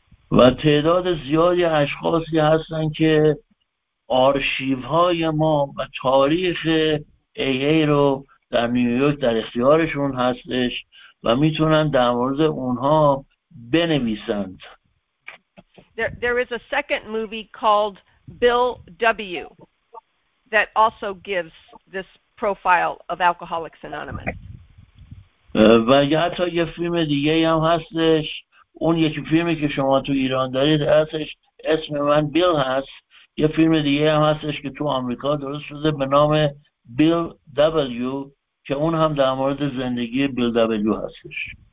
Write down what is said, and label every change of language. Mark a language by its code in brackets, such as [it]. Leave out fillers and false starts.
[fa] و تعداد زیادی اشخاصی هستند که آرشیوهای ما و تاریخ AA رو در نیویورک در اختیارشون هستش و میتونن در مورد اونها بنویسند. [en] There is a second movie called Bill W. that also gives this profile of Alcoholics Anonymous. [fa] و یه حتی یه فیلم دیگه هم هستش، اون یکی فیلمی که شما تو ایران دارید هستش، اسم من بیل هست. یه فیلم دیگه هم هستش که تو آمریکا درست شده به نام بیل دبلیو، که اون هم در مورد زندگی بیل دبلیو هستش.